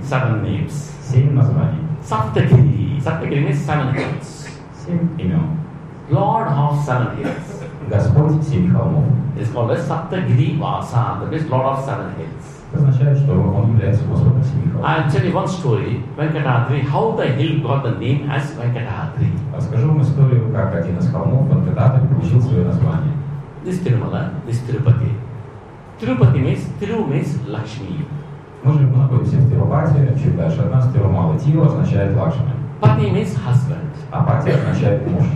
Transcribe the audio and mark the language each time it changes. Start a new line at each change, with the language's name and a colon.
English: Seven names. Same
Russian: названия.
English: Саптагири. Саптагири means seven hills. Same. You know. Lord of seven hills.
Russian: Господь семи холмов.
English: It's called Саптагири Васа. That means Lord of seven hills.
Russian: Означает, что он является Господом семи холмов.
English: I'll tell you one story. Venkatadri, how the hill got the name as Venkatadri.
Russian: Расскажу вам историю, как один из холмов Венкатадри получил свое название.
English: This Tirumala, this Tirupati. Tirupati means, Tiru means Lakshmi.
Russian: Мы же находимся в Тирупати, чуть дальше от нас Тирумала. Тиру означает Лакшми.
English: Пати means husband.
Russian: А Пати означает муж.